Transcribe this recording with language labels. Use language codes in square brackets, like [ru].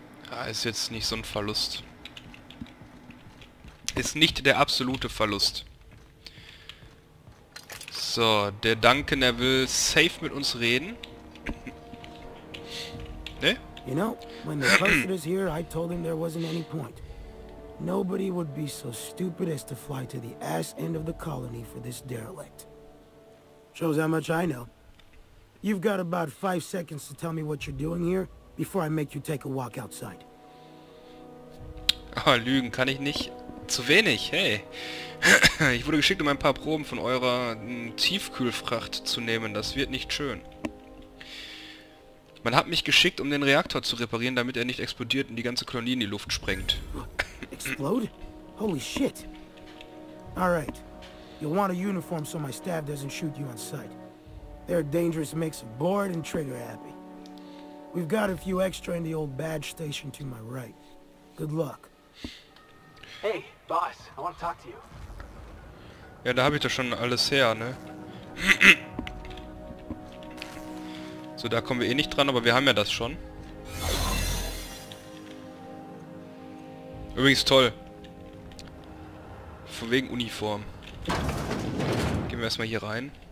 [de] Ah, ist jetzt nicht so ein Verlust. Ist nicht der absolute Verlust. So, der Duncan, er will safe mit uns reden. Ne? [en] You know, when the person is here, I told him there wasn't any point. Nobody would be so stupid as to fly to the ass end of the colony for this derelict. Shows how much I know. You've got about 5 seconds to tell me what you're doing here, before I make you take a walk outside. [de] Ah, lügen kann ich nicht. Zu wenig, hey. Ich wurde geschickt, um ein paar Proben von eurer Tiefkühlfracht zu nehmen. Das wird nicht schön. Man hat mich geschickt, um den Reaktor zu reparieren, damit er nicht explodiert und die ganze Kolonie in die Luft sprengt. [en] Explode? Holy shit. Alright. You'll want a uniform so my staff doesn't shoot you on sight. They're a dangerous mix of bored and trigger happy. We've got a few extra in the old badge station to my right. Good luck. Hey, Boss, I want to talk to you. [de] Ja, da habe ich doch schon alles her, ne? So, da kommen wir eh nicht dran, aber wir haben ja das schon. Übrigens toll. Von wegen Uniform. Gehen wir erstmal hier rein.